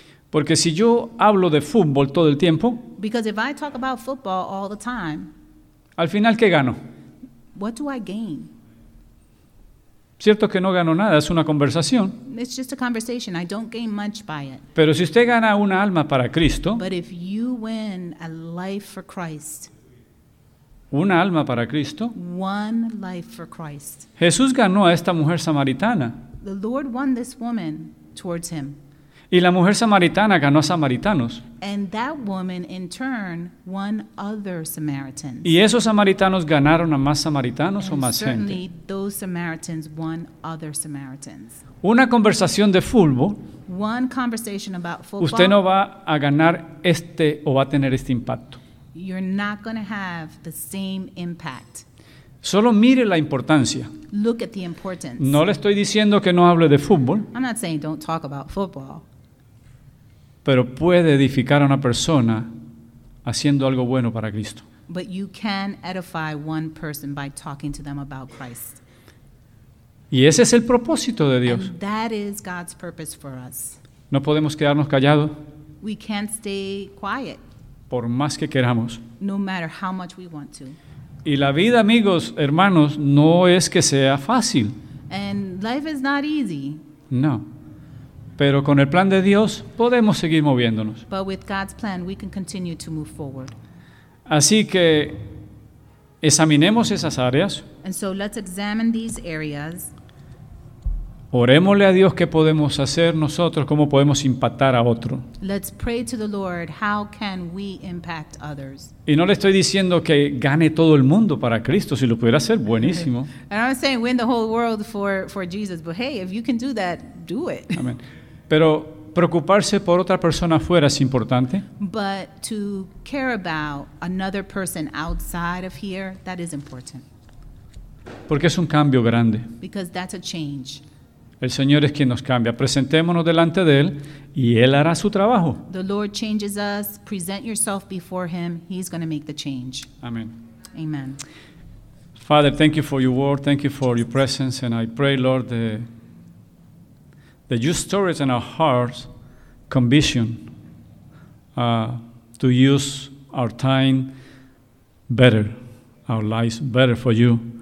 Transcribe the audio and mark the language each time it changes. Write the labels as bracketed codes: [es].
[es] Porque si yo hablo de fútbol todo el tiempo, [en] because if I talk about football all the time, [es] al final, ¿qué gano? [en] What do I gain? [es] Cierto que no gano nada, es una conversación. [en] It's just a conversation. I don't gain much by it. [es] Pero si usted gana una alma para Cristo, [en] but if you win a life for Christ, [es] una alma para Cristo, [en] one life for Christ. [es] Jesús ganó a esta mujer samaritana. [en] The Lord won this woman towards him. [es] Y la mujer samaritana ganó a samaritanos. [en] And that woman in turn won other Samaritans. [es] Y esos samaritanos ganaron a más samaritanos [en] and [es] o más [en] certainly [es] gente. [en] Certainly those Samaritans won other Samaritans. [es] Una conversación de fútbol. [en] One conversation about football. [es] Usted no va a ganar este o va a tener este impacto. [en] You're not going to have the same impact. [es] Solo mire la importancia. [en] Look at the importance. [es] No le estoy diciendo que no hable de fútbol. [en] I'm not saying don't talk about football. [es] pero puede edificar a una persona haciendo algo bueno para Cristo. [en] But you can edify one person by talking to them about Christ. [es] Y ese es el propósito de Dios. [en] And that is God's purpose for us. [es] No podemos quedarnos callados. [en] We can't stay quiet. [es] Por más que queramos. [en] No matter how much we want to. [es] Y la vida, amigos, hermanos, no es que sea fácil. [en] And life is not easy. [es] No. Pero con el plan de Dios podemos seguir moviéndonos. [en] But with God's plan, we can continue to move forward. [es] Así que examinemos esas áreas. [en] And so let's examine these areas. [es] Orémosle a Dios qué podemos hacer nosotros, cómo podemos impactar a otro. [en] Let's pray to the Lord, how can we impact others? [es] Y no le estoy diciendo que gane todo el mundo para Cristo, si lo pudiera hacer, buenísimo. [en] And I'm saying win the whole world for Jesus, but hey, if you can do that, do it. Amen. [es] Pero preocuparse por otra persona afuera es importante. [en] But to care about another person outside of here, that is important. [es] Porque es un cambio grande. [en] Because that's a change. [es] El Señor es quien nos cambia. Presentémonos delante de Él y Él hará su trabajo. [en] The Lord changes us. Present yourself before Him. He's going to make the change. Amen. Amen. Father, thank you for your word. Thank you for your presence. And I pray, Lord, that you store it in our hearts, conviction to use our time better, our lives better for you.